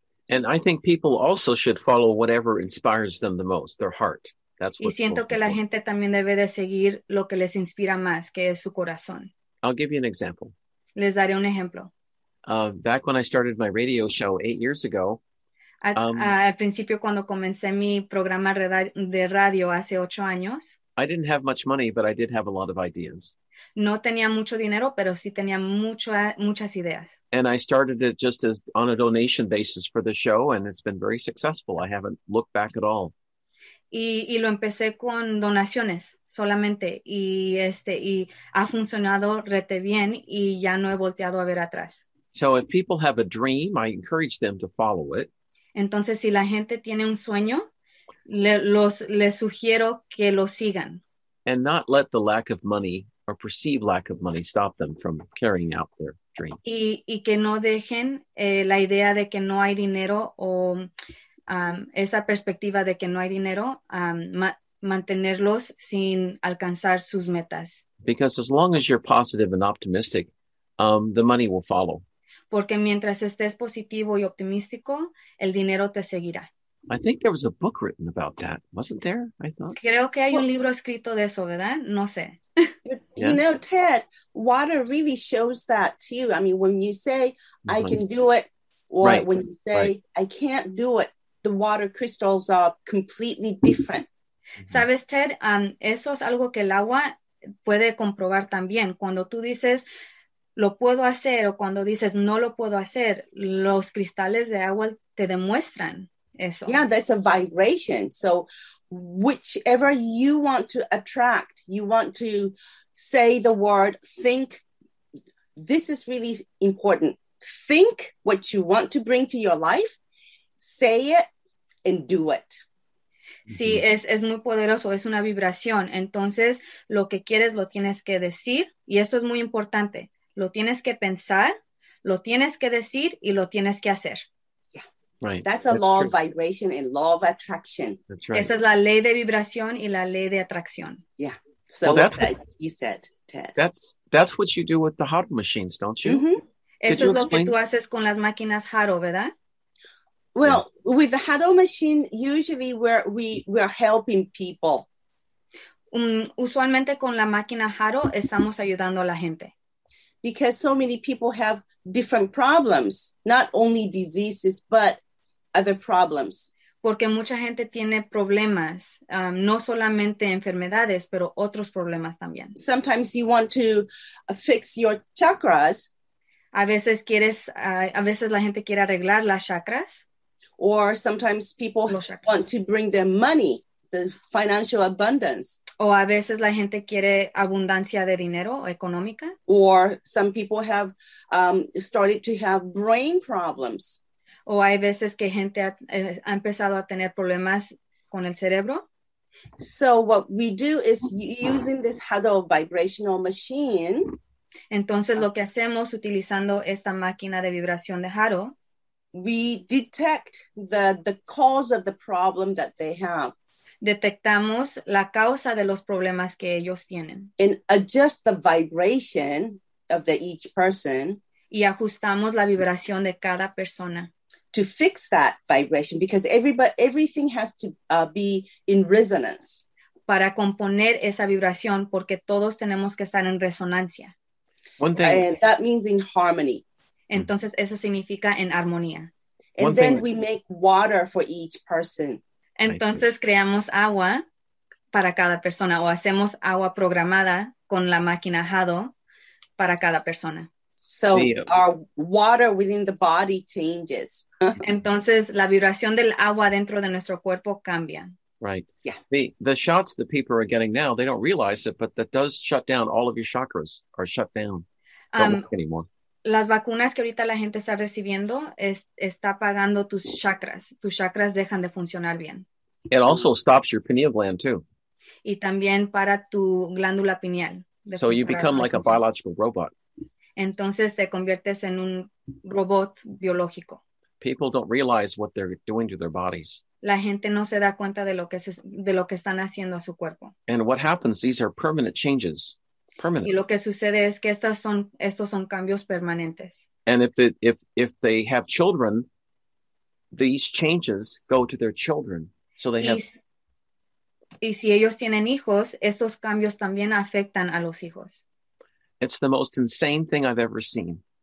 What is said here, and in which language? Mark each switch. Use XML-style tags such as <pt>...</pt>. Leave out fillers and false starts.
<en>And I think people also should follow whatever inspires them the most, their heart. That's what's</en> <es>y siento que la</es> <en>important.</en> <es>Gente también debe de seguir lo que les inspira más, que es su corazón.</es> <en>I'll give you an example.</en> <es>Les daré un ejemplo.</es> <en>Back when I started my radio show 8 years ago.</en> <es>Al principio, cuando comencé mi programa de radio hace 8 años.</es> <en>I didn't have much money, but I did have a lot of ideas.</en> <es>No tenía mucho dinero, pero sí tenía muchas ideas.</es> <en>And I started it just as on a donation basis for the show, and it's been very successful. I haven't looked back at all.</en> <es>Y lo empecé con donaciones solamente, y ha funcionado rete bien, y ya no he volteado a ver atrás.</es> <en>So if people have a dream, I encourage them to follow it.</en> <es>Entonces, si la gente tiene un sueño, les sugiero que lo sigan.</es> <en>And not let the lack of money or perceived lack of money stop them from carrying out their dream.</en> <es>Y que no dejen la idea de que no hay dinero o esa perspectiva de que no hay dinero, mantenerlos sin alcanzar sus metas.</es> <en>Because as long as you're positive and optimistic, the money will follow.</en> <es>Porque mientras estés positivo y optimístico, el dinero te seguirá.</es> <en>I think there was a book written about that, wasn't there? I thought.</en> <es>Creo que hay un libro escrito de eso, ¿verdad? No sé.</es> <en>Yes. You know, Ted, water really shows that too. I mean, when you say, I can do it, or right. when you say, right. I can't do it, the water crystals are completely different.</en> <es>¿Sabes, Ted? Eso es algo que el agua puede comprobar también. Cuando tú dices, lo puedo hacer, o cuando dices, no lo puedo hacer, los cristales de agua te demuestran eso.</es> <en>Yeah, that's a vibration. So whichever you want to attract, you want to say the word, think, this is really important. Think what you want to bring to your life, say it, and do it.</en> <es>Sí, es muy poderoso, es una vibración. Entonces, lo que quieres lo tienes que decir, y esto es muy importante. Lo tienes que pensar, lo tienes que decir, y lo tienes que hacer.</es> <en>Yeah. Right. That's a That's law true. Of vibration and law of attraction. That's right.</en> <es>Esa es la ley de vibración y la ley de atracción.</es> <en>Yeah. So well, that's what you said, Ted. That's what you do with the Haro machines, don't you? Mm-hmm.</en> <es>Eso es lo que tú haces con las máquinas Haro, ¿verdad?</es> <en>Well, yeah. With the Haro machine, usually we're helping people.</en> <es>Usualmente con la máquina Haro estamos ayudando a la gente.</es> <en>Because so many people have different problems, not only diseases, but other problems.</en> <es>Porque mucha gente tiene problemas, no solamente enfermedades, pero otros problemas también.</es> <en>Sometimes you want to fix your chakras.</en> <es>A veces la gente quiere arreglar las chakras.</es> <en>Or sometimes people want to bring their money, the financial abundance.</en> <es>O a veces la gente quiere abundancia de dinero económica.</es> <en>Or some people have started to have brain problems.</en> <es>O hay veces que gente ha empezado a tener problemas con el cerebro.</es> <en>So what we do is using this Hado vibrational machine.</en> <es>Entonces lo que hacemos utilizando esta máquina de vibración de Hado.</es> <en>We detect the cause of the problem that they have.</en> <es>Detectamos la causa de los problemas que ellos tienen.</es> <en>And adjust the vibration of each person.</en> <es>Y ajustamos la vibración de cada persona.</es> <en>To fix that vibration, because everything has to be in resonance.</en> <es>Para componer esa vibración, porque todos tenemos que estar en resonancia.</es> <en>One thing. And that means in harmony.</en> <es>Entonces, eso significa en armonía.</es> <en>And then we make water for each person.</en> <es>Entonces, creamos agua para cada persona, o hacemos agua programada con la máquina Hado para cada persona.</es> <en>So our water within the body changes.</en> <es>Entonces, la vibración del agua dentro de nuestro cuerpo cambia.</es> <en>Right. Yeah. The shots that people are getting now, they don't realize it, but that does shut down all of your chakras are shut down. Don't work anymore.</en> <es>Las vacunas que ahorita la gente está recibiendo está apagando tus chakras. Tus chakras dejan de funcionar bien.</es> <en>It also stops your pineal gland too.</en> <es>Y también para tu glándula pineal.</es> <en>So you become like a biological robot.</en> <es>Entonces te conviertes en un robot biológico.</es> <en>People don't realize what they're doing to their bodies.</en> <es>La gente no se da cuenta de lo que están haciendo a su cuerpo.</es> <en>And what happens, these are permanent changes. Permanent.</en> <es>Y lo que sucede es que estos son cambios permanentes.</es> <en>And if they have children, these changes go to their children. So they have.</en> <es>Y si ellos tienen hijos, estos cambios también afectan a los hijos.</es> <en>It's the most insane thing I've ever seen.</en>